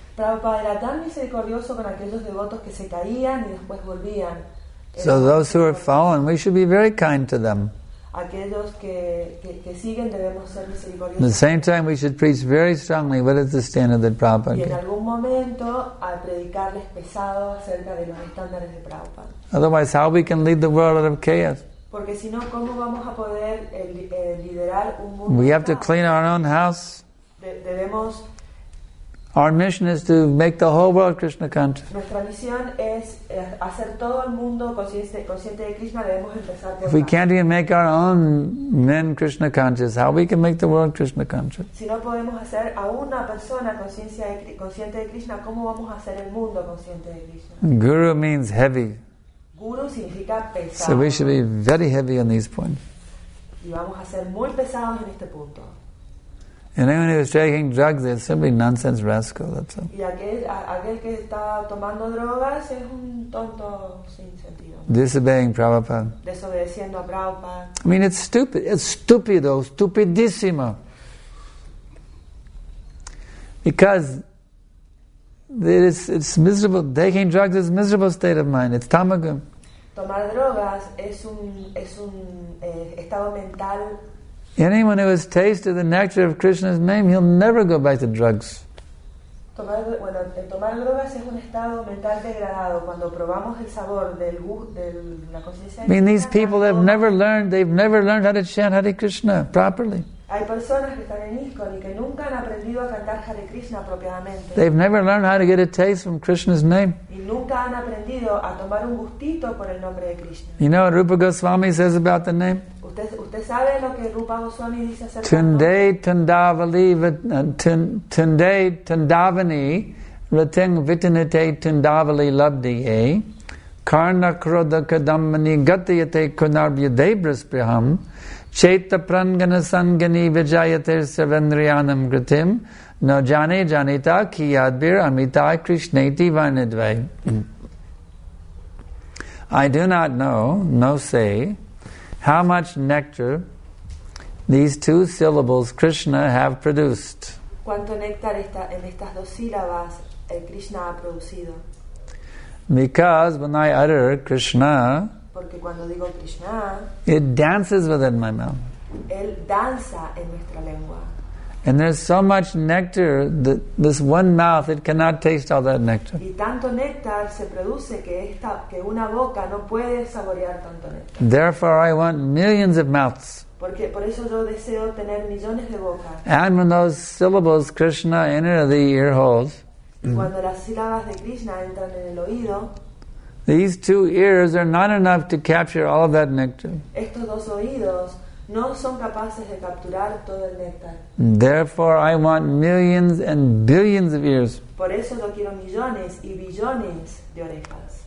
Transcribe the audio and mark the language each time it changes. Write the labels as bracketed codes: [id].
[en] So those who are fallen, we should be very kind to them. [es] Aquellos que siguen debemos ser misericordiosos. [en] At the same time, we should preach very strongly what is the standard that Prabhupada gave. [es] Y en algún momento, al predicarles pesado acerca de los estándares de Prabhupada. [en] Otherwise, how we can lead the world out of chaos? [es] Porque si no, ¿cómo vamos a poder liderar un mundo? [en] We have to clean our own house. [es] Debemos. [en] Our mission is to make the whole world Krishna conscious. [es] Nuestra misión es hacer todo el mundo consciente de Krishna. Debemos empezar por. [en] If we can't even make our own men Krishna conscious, how we can make the world Krishna conscious? [es] Si no podemos hacer a una persona consciente de Krishna, ¿cómo vamos a hacer el mundo consciente de Krishna? [en] Guru means heavy. [es] Guru significa pesado. [en] So we should be very heavy on these points. [es] Y vamos a ser muy pesados en este punto. [en] And anyone who is taking drugs is simply nonsense rascal. That's all. [es] Y aquel que está tomando drogas es un tonto sin sentido. [en] Disobeying Prabhupada. [es] Desobedeciendo a Prabhupada. [en] I mean, it's stupid. It's stupido, stupidissimo. Because it's miserable. Taking drugs is a miserable state of mind. It's tamagum. [es] Tomar drogas es un estado mental. [en] Anyone who has tasted the nectar of Krishna's name, he'll never go back to drugs. [es] Tomar drogas es un estado mental degradado. Cuando probamos el sabor del la conciencia. [en] I mean, these people have never learned. They've never learned how to chant Hare Krishna properly. [es] Hay personas que están en ISKCON y que nunca han aprendido a cantar Hare Krishna apropiadamente. [en] They've never learned how to get a taste from Krishna's name. [es] Y nunca han aprendido a tomar un gustito por el nombre de Krishna. [en] You know what Rupa Goswami says about the name? [es] ¿Usted sabe lo que Rupa Goswami dice acerca del nombre? [sa] Tunday Tundavali Tunday Tundavani Rating Vitinite Tundavali Labdiye Karna Krodha Kadamani Gatiyate Kunarbya Debrasbriham Cheta prangana sangani vijayate sarvendriyanam kritim no jane janita kiyadbir amita krishneti varnadvai. [en] I do not know, no say, how much nectar these two syllables Krishna have produced. [es] ¿Cuánto néctar en estas dos sílabas Krishna ha producido? [en] Because when I utter Krishna, [es] porque cuando digo Krishna, [en] it dances within my mouth. [es] Él danza en nuestra lengua. [en] And there's so much nectar that this one mouth, it cannot taste all that nectar. [es] Y tanto néctar se produce que una boca no puede saborear tanto néctar. [en] Therefore, I want millions of mouths. [es] Porque por eso yo deseo tener millones de bocas. [en] And when those syllables Krishna enter the ear holes, [es] cuando las sílabas de Krishna entran en el oído, [en] these two ears are not enough to capture all of that nectar. [es] Estos dos oídos no son capaces de capturar todo el néctar. [en] Therefore, I want millions and billions of ears. [es] Por eso yo quiero millones y billones de orejas.